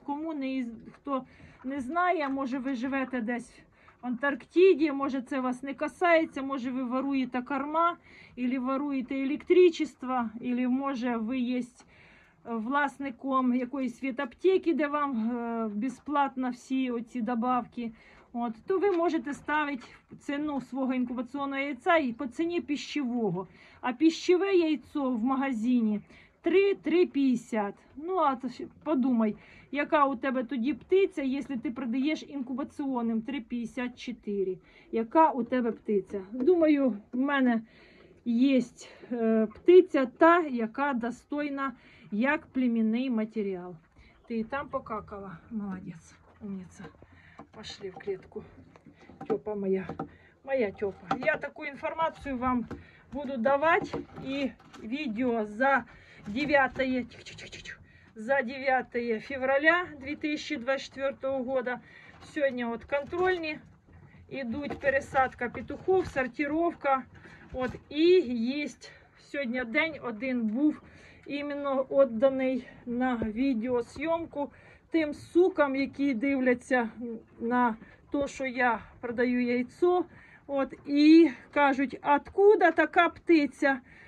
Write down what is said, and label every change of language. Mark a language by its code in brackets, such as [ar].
[ru] Кому не, кто не знает, может, вы живете десь в Антарктиде, может, это вас не касается, может, вы воруете корма, или воруете электричество, или, может, вы есть власником какой-то ветаптеки, где вам бесплатно все эти добавки, вот, то вы можете ставить цену своего инкубационного яйца и по цене пищевого. А пищевое яйцо в магазине 3,50. Ну, а подумай, [uk] яка у тебе тоді птиця, [ru] если ты продаешь инкубационным 3,54? [uk] Яка у тебе птиця? Думаю, в мене есть птиця та, яка достойна як племінний матеріал. Ти і там покакала. [ru] Молодец, умница. Пошли в клетку. Тёпа моя. Моя Тёпа. Я такую информацию вам буду давать и видео за 9-е. За 9 февраля 2024 года. Сегодня вот контрольные идут, пересадка петухов, сортировка. Вот и есть сегодня день один [uk] був именно отданий на відеосйомку тим сукам, які дивляться на то, що я продаю яйцо. От і кажуть: "Откуда така птиця?